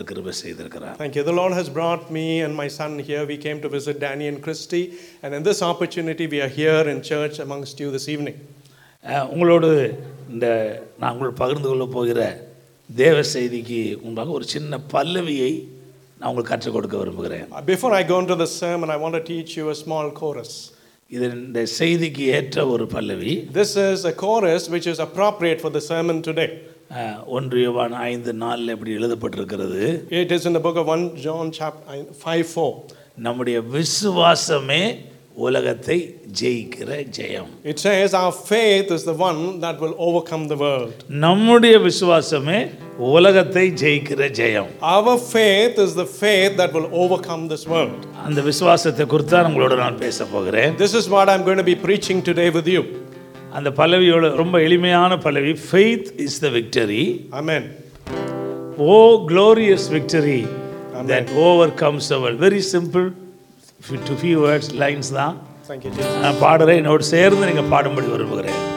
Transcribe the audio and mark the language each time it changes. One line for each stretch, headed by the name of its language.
English: The Lord has brought me and my son here. We came to visit Danny and Christy, and in this opportunity we are here in church amongst you this evening.
Tamil: உங்களோடு இந்த நாங்கள் பகிர்ந்து கொள்ள போகிற தேவ செய்திக்கு உங்களுக்கு ஒரு சின்ன பல்லவியை நான் உங்களுக்கு கற்றுக் கொடுக்க விரும்புகிறேன்.
English: Before I go into the sermon, I want to teach you a small chorus.
Tamil: இது இந்த செய்திக்கு ஏற்ற ஒரு பல்லவி.
English: This is a chorus which is appropriate for the sermon today.
Tamil: 1 John 5:4 எப்படி எழுதப்பட்டிருக்கிறது.
English: It is in the book of 1 John 5:4.
Tamil: நம்முடைய விசுவாசமே உலகத்தை ஜெயிக்கிற ஜெயம்.
English: It says our faith is the one that will overcome the world.
Tamil: நம்முடைய விசுவாசமே உலகத்தை ஜெயிக்கிற ஜெயம்.
English: Our faith is the faith that will overcome this world.
Tamil: அந்த விசுவாசத்தை குறித்து தான் உங்களோட நான் பேச போகிறேன்.
English: This is what I'm going to be preaching today with you.
Tamil: அந்த பல்லவியோட ரொம்ப எளிமையான பல்லவி.
English: Faith is the victory. Amen. Oh glorious victory. Amen. That overcomes the world. Very simple, to few words, lines தான். Thank you Jesus.
Tamil: நான் பாடுறேன், என்னோட சேர்ந்து நீங்க பாடும்படி விரும்புகிறேன்.